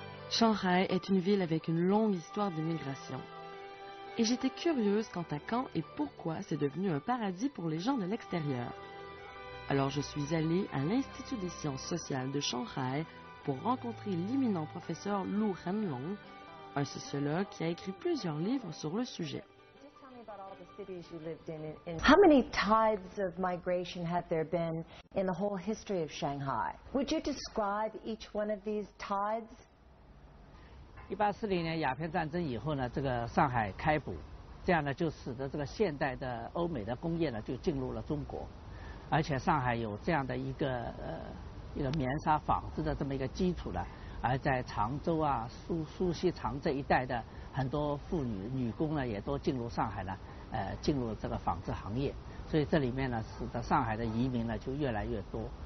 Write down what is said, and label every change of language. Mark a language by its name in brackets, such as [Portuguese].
[French] Shanghai est une ville avec une longue histoire d'immigration. Et j'étais curieuse quant à quand et pourquoi c'est devenu un paradis pour les gens de l'extérieur. Alors je suis allée à l'Institut des sciences sociales de Shanghai pour rencontrer l'éminent professeur Lu Renlong, un sociologue qui a écrit plusieurs livres sur le sujet. [English] How many tides of migration have there been in the whole history of Shanghai? Would you describe each one of these tides? [Chinese] 1840年鸦片战争以后呢，这个上海开埠，这样呢就使得这个现代的欧美的工业呢就进入了中国，而且上海有这样的一个棉纱纺织的这么一个基础呢，而在常州啊、苏锡常这一带的很多妇女女工呢，也都进入上海呢，进入这个纺织行业，所以这里面呢，使得上海的移民呢就越来越多。